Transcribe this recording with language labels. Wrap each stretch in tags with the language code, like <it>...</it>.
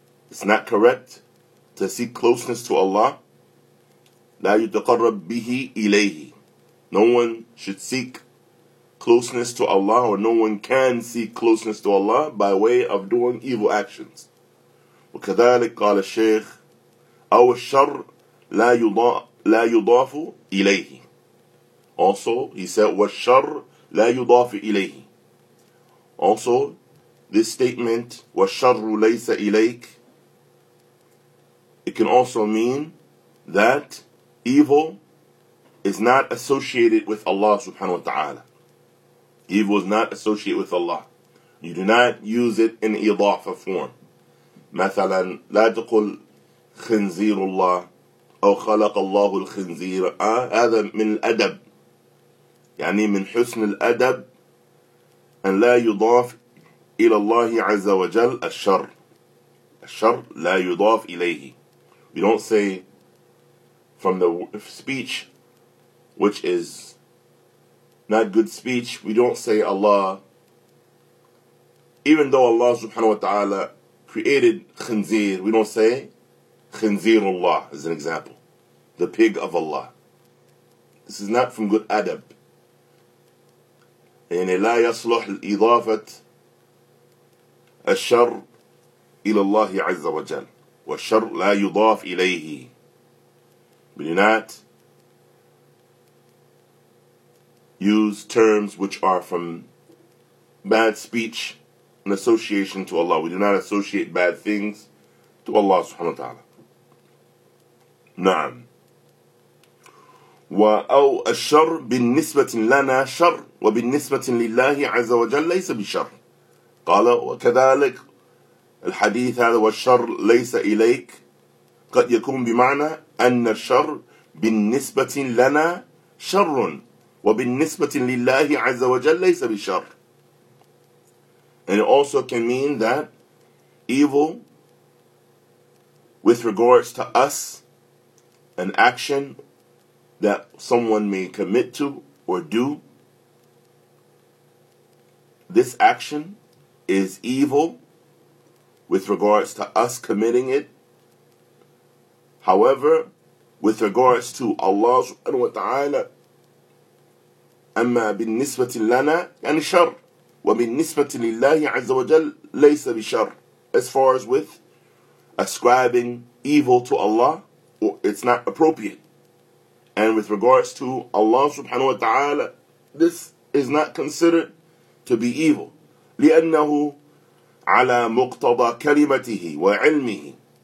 <en>It's not correct to seek closeness to Allah.</en> <ar>لا يتقرب به إليه.</ar> <en>No one should seek closeness to Allah, or no one can seek closeness to Allah by way of doing evil actions.</en> <ar>وكذلك قال الشيخ أو الشر لا يضاف إليه.</ar> <en>Also, he said</en> <ar>والشر لا يضاف إليه.</ar> <en>Also, this statement</en> <ar>والشر ليس إليك,</ar> <en>it can also mean that evil is not associated with Allah subhanahu wa ta'ala. Evil is not associated with Allah. You do not use it in إضافة form.</en> <ar>مثلا لا تقول خنزير الله أو خلق الله الخنزير. هذا من الأدب. يعني من حسن الأدب أن لا يضاف إلى الله عز وجل الشر. الشر لا يضاف إليه.</ar> <en>We don't say from the speech which is not good speech, we don't say Allah, even though Allah subhanahu wa ta'ala created khinzir, we don't say khinzirullah as an example, the pig of Allah. This is not from good adab.</en> <ar>يعني لا يصلح الإضافة الشر إلى الله عز وجل والشر لا يضاف إليه.</ar> <en>But you're not use terms which are from bad speech and association to Allah. We do not associate bad things to Allah subhanahu wa ta'ala.</en> <ar>نعم. وأو الشر بالنسبة لنا شر وبالنسبة لله عز وجل ليس بشر. قال وكذلك الحديث هذا والشر ليس إليك. قد يكون بمعنى أن الشر بالنسبة لنا شر وبالنسبة لله عز وجل ليس بشر.</ar> <en>And it also can mean that evil with regards to us, an action that someone may commit to or do, this action is evil with regards to us committing it. However, with regards to Allah subhanahu wa ta'ala,</en> <ar>أما بالنسبة لنا يعني شر وبالنسبة لله عز وجل ليس بشر.</ar> <en>As far as with ascribing evil to Allah, it's not appropriate. And with regards to Allah subhanahu wa ta'ala, this is not considered to be evil.</en> <ar>لأنه على مقتضى كلمته وعلمه.</ar>